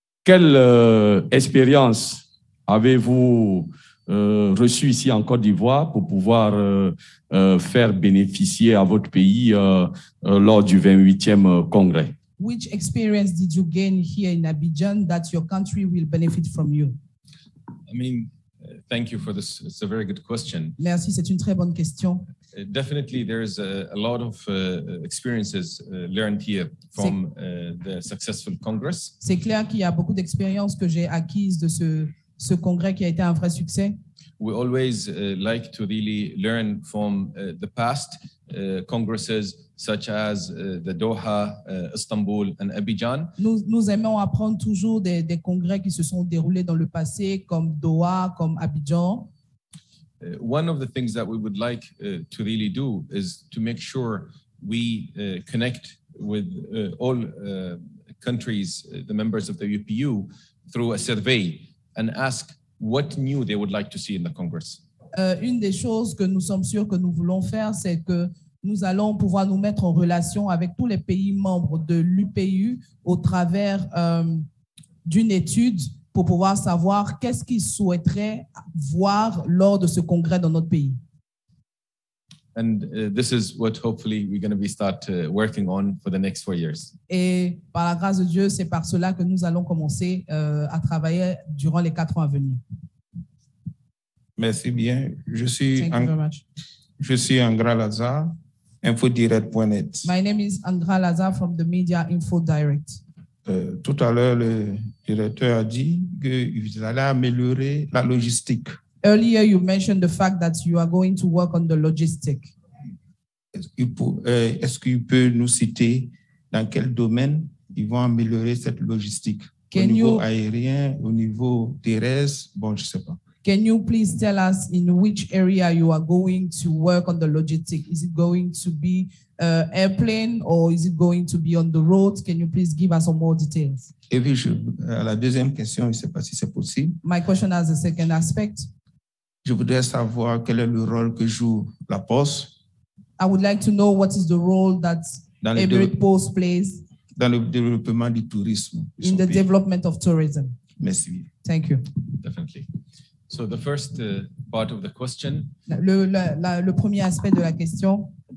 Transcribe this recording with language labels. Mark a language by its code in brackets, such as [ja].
[fr] Quelle expérience avez-vous reçu ici en Côte d'Ivoire pour pouvoir faire bénéficier à votre pays lors du 28e congrès? [en] Which experience did you gain here in Abidjan that your country will benefit from you? I mean, thank you for this. It's a very good question. [fr] Merci, c'est une très bonne question. [en] Definitely, there is a lot of experiences learned here from the successful congress. [fr] C'est clair qu'il y a beaucoup d'expériences que j'ai acquises de ce congrès qui a été un vrai succès. [en] We always like to really learn from the past congresses such as the Doha, Istanbul and Abidjan. [fr] Nous aimons apprendre toujours des congrès qui se sont déroulés dans le passé comme Doha, comme Abidjan. [en] One of the things that we would like to really do is to make sure we connect with all countries, the members of the UPU, through a survey and ask what new they would like to see in the Congress. [fr] Une des choses que nous sommes sûrs que nous voulons faire, c'est que nous allons pouvoir nous mettre en relation avec tous les pays membres de l'UPU au travers d'une étude pour pouvoir savoir qu'est-ce qu'ils souhaiteraient voir lors de ce congrès dans notre pays. [en] And this is what hopefully we're going to be start working on for the next 4 years. [fr] Et par la grâce de Dieu, c'est par cela que nous allons commencer à travailler durant les 4 ans à venir. Merci bien. Je suis Angra Lazar, infodirect.net. [en] My name is Angra Lazar from the media Info Direct. [fr] Tout à l'heure, le directeur a dit qu'ils allaient améliorer la logistique. [en] Earlier, you mentioned the fact that you are going to work on the logistics. [fr] Est-ce qu'il peut nous citer dans quel domaine ils vont améliorer cette logistique? Au niveau aérien, au niveau terrestre, bon, je ne sais pas. [en] Can you please tell us in which area you are going to work on the logistics? Is it going to be airplane or is it going to be on the road? Can you please give us some more details? [fr] Et puis, la deuxième question, je ne sais pas si c'est possible. [en] My question has a second aspect. [fr] Je voudrais savoir quel est le rôle que joue la poste. [en] I would like to know what is the role that every post plays. [fr] Dans le développement du tourisme. [en] In the development of tourism. [fr] Merci. [en] Thank you. Definitely. So the first part of the question. [fr] Le premier aspect de la question.